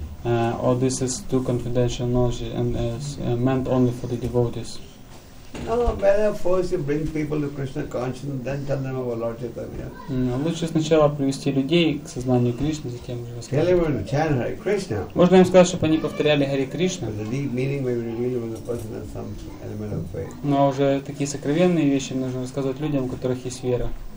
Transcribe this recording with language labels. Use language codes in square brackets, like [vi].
[en] Or this is too confidential knowledge and is meant only for the devotees? No, better first you bring people to Krishna consciousness, then tell them about Lord Chaitanya. [ru] Лучше сначала привести людей к сознанию Кришны, затем уже рассказать. [en] Tell everyone to chant Hare Krishna. [ru] Можно им сказать, чтобы они повторяли Hare Krishna. [en] The deep meaning we reveal when the person has some element of faith. [ru] Но уже такие сокровенные вещи нужно рассказывать людям, у которых есть вера.